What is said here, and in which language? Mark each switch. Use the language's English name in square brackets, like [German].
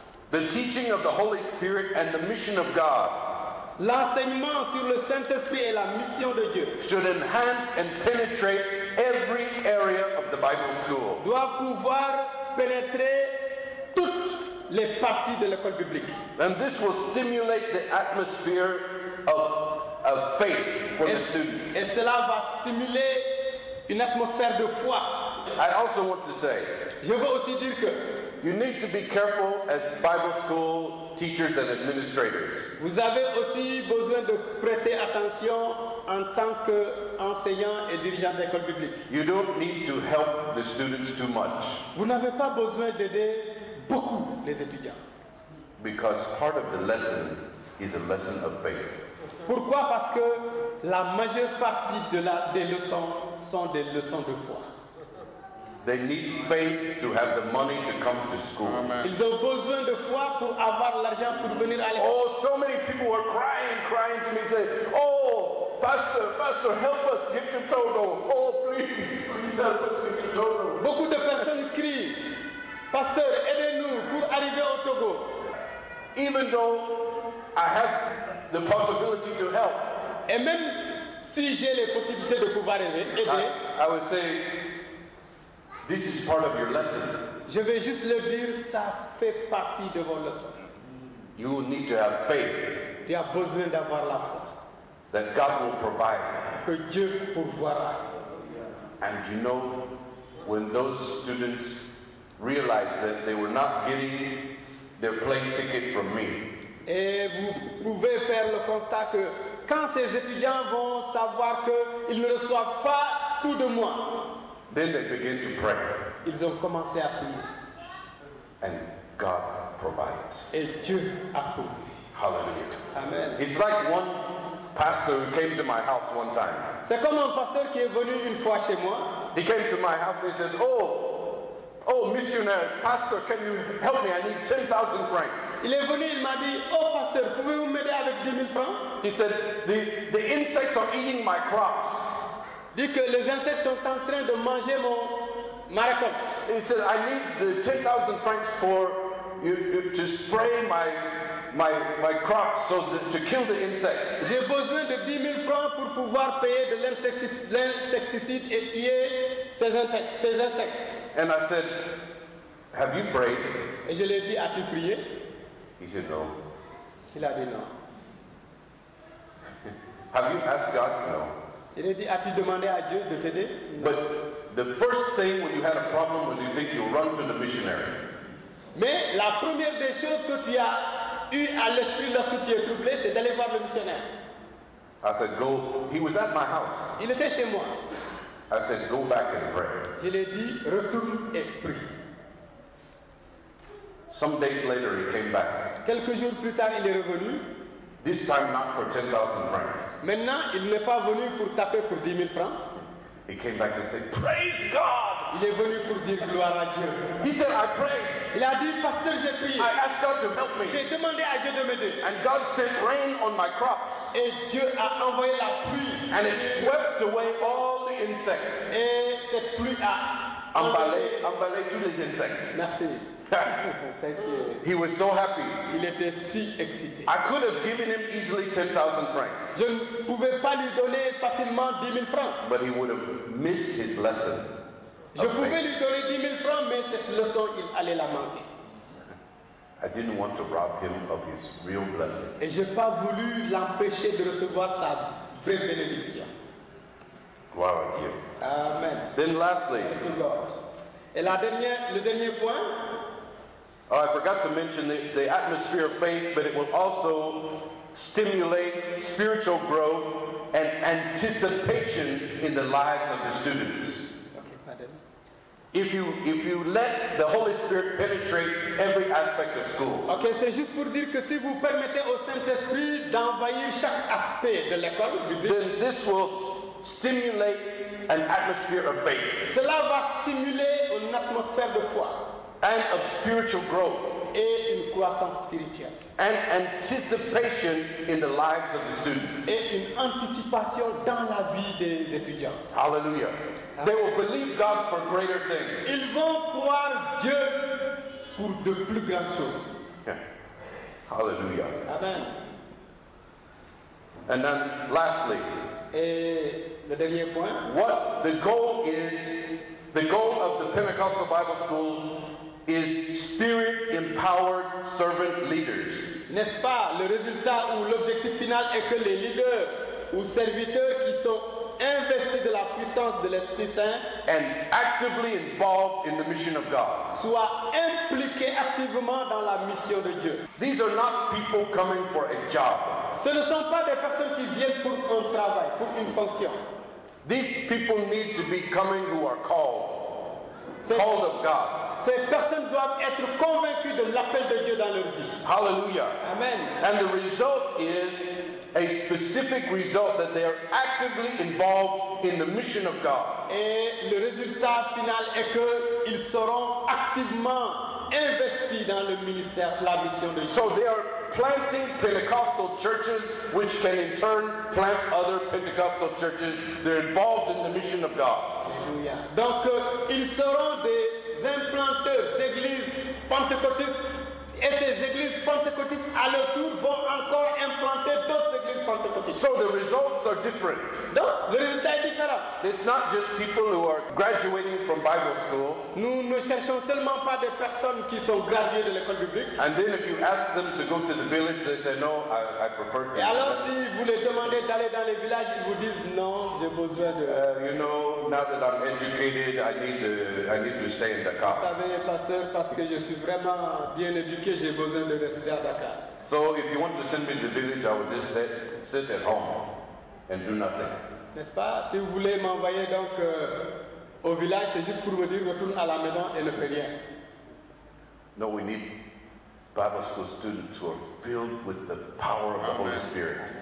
[English] The teaching of the Holy Spirit and the mission of God. [French] L'enseignement sur le Saint-Esprit et la mission de Dieu. [English] Should enhance and penetrate every area of the Bible school. [French] Doit pouvoir pénétrer toutes les parties de l'école biblique. [English] And this will stimulate the atmosphere of faith for the students. [French] Et cela va stimuler une atmosphère de foi. [English] I also want to say, [French] je veux aussi dire que [English] you need to be careful as Bible school teachers and administrators. [French] Vous avez aussi besoin de prêter attention en tant que enseignant et dirigeant d'école publique. [English] You don't need to help the students too much. [French] Vous n'avez pas besoin d'aider beaucoup les étudiants. [English] Because part of the lesson is a lesson of faith. [French] Pourquoi? Parce que la majeure partie des leçons sont des leçons de foi. [English] They need faith to have the money to come to school. Amen. [French] Ils ont besoin de foi pour avoir l'argent pour venir à l'école. [English] Oh, so many people were crying to me, saying, "Oh, pastor, help us get to Togo. Oh, please help us get to Togo." [French] Beaucoup de personnes crient, "Pasteur, aidez-nous pour arriver au Togo." [English] Even though I have the possibility to help. [French] Et même si j'ai les possibilités de pouvoir aider, [English] I would say, this is part of your lesson. [French] Je vais juste le dire, ça fait partie de vos leçons. [English] You need to have faith. [French] Tu as besoin d'avoir la foi. [English] That God will provide. [French] Que Dieu pourvoira. [English] And you know, when those students realized that they were not getting their plane ticket from me. [French] Et vous pouvez faire le constat que quand ces étudiants vont savoir qu'ils ne reçoivent pas tout de moi. [English] Then they begin to pray. [French] Ils ont commencé à prier. [English] And God provides. [French] Et Dieu a pourvu. [English] Hallelujah. Amen. It's like one pastor who came to my house one time. [French] C'est comme un pasteur qui est venu une fois chez moi. [English] He came to my house and he said, Oh, missionary, pastor, can you help me? I need 10,000 francs. [French] Il est venu, il m'a dit, oh, pasteur, pouvez-vous m'aider avec 10,000 francs? [English] He said, the insects are eating my crops. [French] Dit que les insectes sont en train de manger ma récolte. [English] He said, I need the 10,000 francs to spray my crops so that to kill the insects. [French] J'ai besoin de 10,000 francs pour pouvoir payer de l'insecticide et tuer ces insectes. [English] And I said, have you prayed? [French] Et je lui ai dit, as-tu prié? [English] He said, no. [French] Il a dit non. [English] Have you asked God? No. [French] Il a dit, as-tu demandé à Dieu de t'aider? Non. [English] But the first thing when you had a problem was you think you'll run to the missionary. [French] Mais la première des choses que tu as eu à l'esprit lorsque tu es troublé, c'est d'aller voir le missionnaire. [English] I said, go. He was at my house. [French] Il était chez moi. [English] I said, go back and pray. [French] Je lui ai dit, retourne et prie. [English] Some days later, he came back. [French] Quelques jours plus tard, il est revenu. [English] This time, not for 10,000 francs. [French] Maintenant, il n'est pas venu pour taper pour 10,000 francs. [English] He came back to say, praise God! [French] Il est venu pour dire gloire à Dieu. [English] He said, I prayed. [French] Il a dit, pasteur, j'ai prié. [English] I asked God to help me. [French] J'ai demandé à Dieu de m'aider. [English] And God sent rain on my crops. [French] Et Dieu a envoyé la pluie. And it swept away all insects. Et cette pluie a emballé tous les insectes. Merci. [English] Thank you. He was so happy. [French] Il était si excité. [English] I could have given him easily 10,000 francs. [French] Je ne pouvais pas lui donner facilement 10,000 francs. [English] But he would have missed his lesson. [French] Je pouvais lui donner 10,000 francs, mais cette leçon, il allait la manquer. I didn't want to rob him of his real blessing. Et je n'ai pas voulu l'empêcher de recevoir sa vraie bénédiction. Gloire à Dieu. Amen. [English] Then lastly. [French] Et le dernier point. [English] Oh, I forgot to mention the atmosphere of faith, but it will also stimulate spiritual growth and anticipation in the lives of the students. [French] Okay, pardon. [English] If you let the Holy Spirit penetrate every aspect of school. [French] Okay, c'est juste pour dire que si vous permettez au Saint-Esprit d'envahir chaque aspect de l'école, [English] then this will stimulate an atmosphere of faith. [French] Cela va stimuler une atmosphère de foi. [English] And of spiritual growth. [French] Et une croissance spirituelle. [English] And anticipation in the lives of the students. [French] Et une anticipation dans la vie des étudiants. Hallelujah. Amen. [English] They will believe God for greater things. [French] Ils vont croire Dieu pour de plus grandes choses. [English] Yeah. Hallelujah. Amen. And then lastly. [French] Et le dernier point. [English] What the goal is, the goal of the Pentecostal Bible School is spirit-empowered servant leaders. [French] N'est-ce pas? Le résultat ou l'objectif final est que les leaders ou serviteurs qui sont investis de la puissance de l'Esprit Saint [English] and actively involved in the mission of God [French] soient impliqués activement dans la mission de Dieu. [English] These are not people coming for a job. [French] Ce ne sont pas des personnes qui viennent pour un travail, pour une fonction. [English] These people need to be coming who are called. Called of God. [French] Ces personnes doivent être convaincues de l'appel de Dieu dans leur vie. Hallelujah. Amen. [English] And the result is a specific result that they are actively involved in the mission of God. [French] Et le résultat final est que ils seront activement investis dans le ministère, la mission de Dieu. [English] So they are planting Pentecostal churches, which can in turn plant other Pentecostal churches. They're involved in the mission of God. [French] Alléluia. Donc, ils seront des implanteurs d'églises pentecôtistes. Et ces églises pentecôtistes à leur tour vont encore implanter d'autres églises pentecôtistes. [English] So the results are different. [French] Donc, le résultat est différent. [English] It's not just people who are graduating from Bible school. [French] Nous ne cherchons seulement pas des personnes qui sont graduées de l'école biblique. [English] And then if you ask them to go to the village, they say no, I prefer to. [French] Et alors si vous les demandez d'aller dans les villages, ils vous disent non, j'ai besoin de. [English] You know, now that I'm educated, I need to stay in Dakar. [French] Vous savez, pasteur, parce que je suis vraiment bien éduqué. Que j'ai besoin de rester à Dakar. [English] So if you want to send me to the village, I would just sit at home and do nothing. [French] N'est-ce pas? Si vous voulez m'envoyer donc au village, c'est juste pour me dire retourne à la maison et ne fais rien. [English] No, we need Bible school students who are filled with the power of the Holy Spirit.